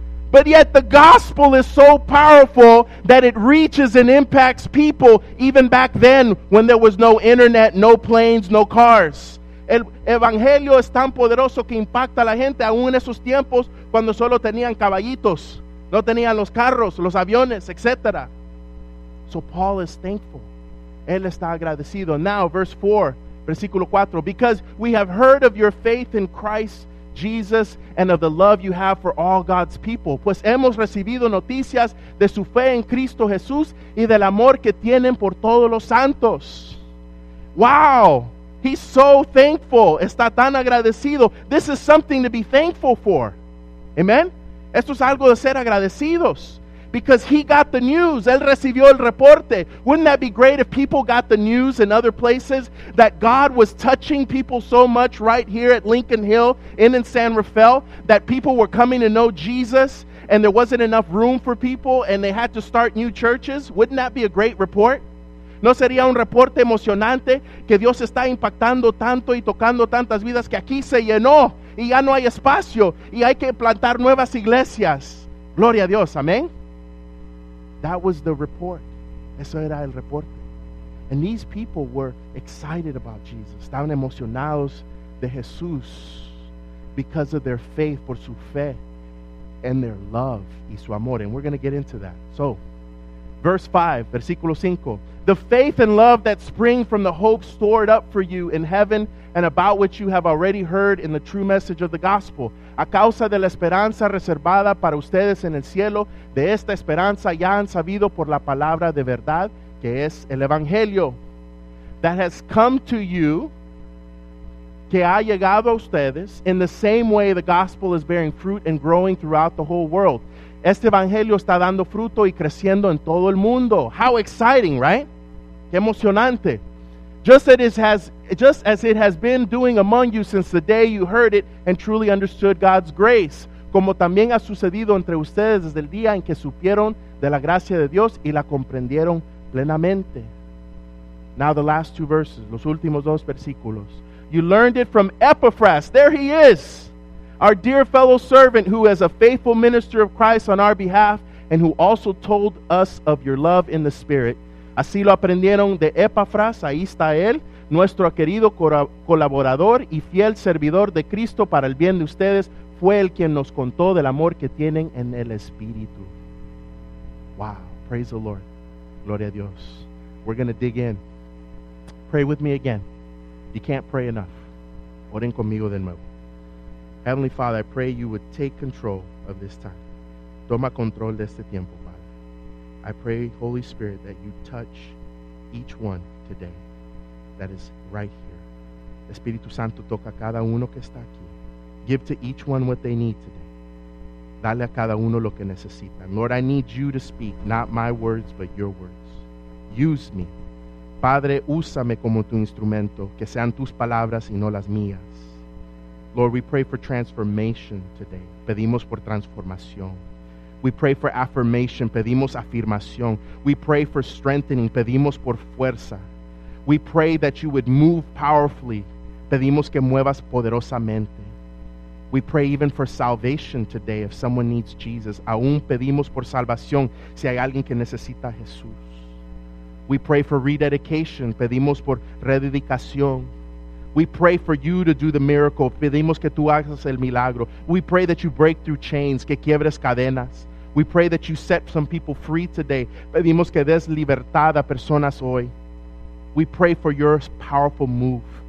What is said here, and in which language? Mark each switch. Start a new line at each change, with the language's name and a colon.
English: But yet the gospel is so powerful that it reaches and impacts people even back then when there was no internet, no planes, no cars.
Spanish: El evangelio es tan poderoso que impacta a la gente aún en esos tiempos cuando solo tenían caballitos, no tenían los carros, los aviones, etc.
English: So Paul is thankful.
Spanish: Él está agradecido.
English: Now, verse 4,
Spanish: versículo 4.
English: Because we have heard of your faith in Christ Jesus and of the love you have for all God's people.
Spanish: Pues hemos recibido noticias de su fe en Cristo Jesús y del amor que tienen por todos los santos.
English: Wow! He's so thankful.
Spanish: Está tan agradecido.
English: This is something to be thankful for. Amen?
Spanish: Esto es algo de ser agradecidos.
English: Because he got the news.
Spanish: Él recibió el reporte.
English: Wouldn't that be great if people got the news in other places that God was touching people so much right here at Lincoln Hill and in San Rafael that people were coming to know Jesus and there wasn't enough room for people and they had to start new churches? Wouldn't that be a great report?
Spanish: ¿No sería un reporte emocionante que Dios está impactando tanto y tocando tantas vidas que aquí se llenó y ya no hay espacio y hay que plantar nuevas iglesias? Gloria a Dios. Amén.
English: That was the report.
Spanish: Eso era el reporte.
English: And these people were excited about Jesus.
Spanish: Estaban emocionados de Jesús
English: because of their faith,
Spanish: por su fe,
English: and their love
Spanish: y su amor.
English: And we're going to get into that. So, verse 5,
Spanish: versículo 5.
English: The faith and love that spring from the hope stored up for you in heaven and about which you have already heard in the true message of the gospel.
Spanish: A causa de la esperanza reservada para ustedes en el cielo, de esta esperanza ya han sabido por la palabra de verdad, que es el evangelio.
English: That has come to you,
Spanish: que ha llegado a ustedes,
English: in the same way the gospel is bearing fruit and growing throughout the whole world.
Spanish: Este evangelio está dando fruto y creciendo en todo el mundo.
English: How exciting, right?
Spanish: Qué emocionante.
English: Just as it has been doing among you since the day you heard it and truly understood God's grace.
Spanish: Como también ha sucedido entre ustedes desde el día en que supieron de la gracia de Dios y la comprendieron plenamente.
English: Now the last two verses,
Spanish: los últimos dos versículos.
English: You learned it from Epaphras. There he is, our dear fellow servant who is a faithful minister of Christ on our behalf and who also told us of your love in the Spirit.
Spanish: Así lo aprendieron de Epafras, ahí está él, nuestro querido colaborador y fiel servidor de Cristo para el bien de ustedes, fue el quien nos contó del amor que tienen en el Espíritu.
English: Wow, praise the Lord.
Spanish: Gloria a Dios.
English: We're going to dig in. Pray with me again. You can't pray enough.
Spanish: Oren conmigo de nuevo.
English: Heavenly Father, I pray you would take control of this time.
Spanish: Toma control de este tiempo.
English: I pray, Holy Spirit, that you touch each one today that is right here,
Spanish: Espíritu Santo, toca a cada uno que está aquí.
English: Give to each one what they need today.
Spanish: Dale a cada uno lo que necesitan.
English: Lord, I need you to speak, not my words, but your words. Use me.
Spanish: Padre, úsame como tu instrumento, que sean tus palabras y no las mías.
English: Lord, we pray for transformation today.
Spanish: Pedimos por transformación.
English: We pray for affirmation.
Spanish: Pedimos afirmación.
English: We pray for strengthening.
Spanish: Pedimos por fuerza.
English: We pray that you would move powerfully.
Spanish: Pedimos que muevas poderosamente.
English: We pray even for salvation today if someone needs Jesus.
Spanish: Aún pedimos por salvación si hay alguien que necesita a Jesús.
English: We pray for rededication.
Spanish: Pedimos por rededicación.
English: We pray for you to do the miracle.
Spanish: Pedimos que tú hagas el milagro.
English: We pray that you break through chains,
Spanish: que quiebres cadenas.
English: We pray that you set some people free today.
Spanish: Pedimos que des libertad a personas hoy.
English: We pray for your powerful move.